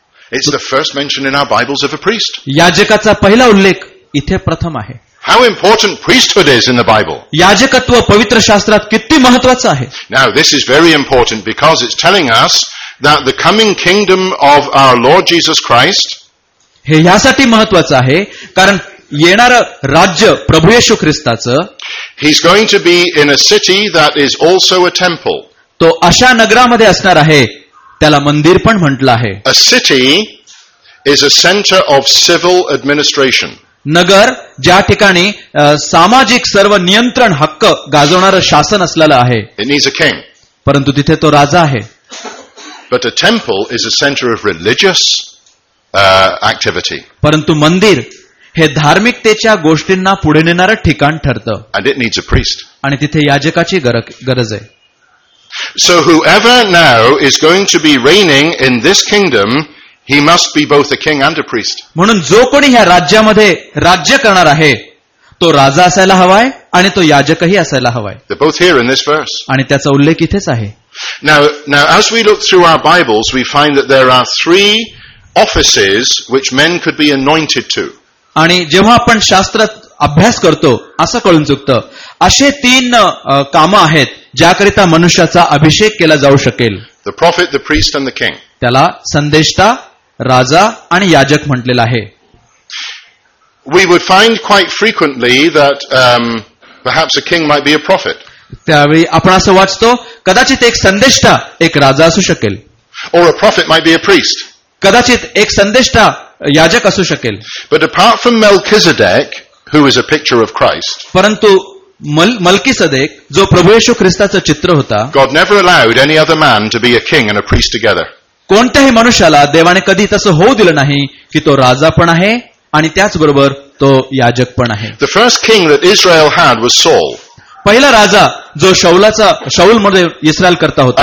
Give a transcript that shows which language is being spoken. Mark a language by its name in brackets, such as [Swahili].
[English] It's the first mention in our Bibles of a priest. [Marathi] याजकाचा पहिला उल्लेख इथे प्रथम आहे. [English] How important priesthood is in the Bible. [Marathi] याजकत्व पवित्र शास्त्रात किती महत्त्वाचे आहे. [English] Now this is very important because it's telling us that the coming kingdom of our Lord Jesus Christ, [Marathi] हे यासाठी महत्त्वाचे आहे कारण येणारे राज्य प्रभू येशू ख्रिस्ताचं, [English] he's going to be in a city that is also a temple. [Marathi] तो अशा नगरामध्ये असणार आहे त्याला मंदिर पण म्हटलं आहे. [English] A city is a center of civil administration. [Marathi] नगर ज्या ठिकाणी सामाजिक सर्व नियंत्रण हक्क गाजवणारं शासन असलेलं आहे. [English] It needs a king. [Marathi] परंतु तिथे तो राजा आहे. [English] But a temple is a center of religious activity. [Marathi] परंतु मंदिर हे धार्मिकतेच्या गोष्टींना पुढे नेणारं ठिकाण ठरतं. [English] And it needs a priest. [Marathi] आणि तिथे याजकाची गरज आहे. [English] So whoever now is going to be reigning in this kingdom, he must be both a king and a priest. [Marathi] म्हणून जो कोणी ह्या राज्यामध्ये राज्य करणार आहे तो राजा असायला हवाय आणि तो याजकही असायला हवाय. [English] They're both here in this verse. [Marathi] आणि त्याचा उल्लेख इथेच आहे. [English] Now as we look through our Bibles, we find that there are three offices which men could be anointed to. [Marathi] आणि जेव्हा आपण शास्त्रात अभ्यास करतो असं कळून चुकतं, असे तीन कामं आहेत ज्याकरिता मनुष्याचा अभिषेक केला जाऊ शकेल. [English] The prophet, the priest and the king. [Marathi] त्याला संदेष्टा, राजा आणि याजक म्हटलेला आहे. [English] We would find quite frequently that perhaps a king might be a prophet. [Marathi] त्यावेळी आपण असं वाचतो कदाचित एक संदेष्टा एक राजा असू शकेल. [English] Or a prophet might be a priest. [Marathi] कदाचित एक संदेष्टा याजक असू शकेल. [English] But apart from Melchizedek, who is a picture of Christ. [Marathi] परंतु मल्किसदेक जो प्रभू येशू ख्रिस्ताचं चित्र होता, [English] God never allowed any other man to be a king and a priest together. [Marathi] कोणत्याही मनुष्याला देवाने कधी तसं होऊ दिलं नाही की तो राजा पण आहे आणि त्याचबरोबर तो याजक पण आहे. [English] The first king that Israel had was Saul. [Marathi] पहिला राजा जो शौल मध्ये इस्रायल करता होता,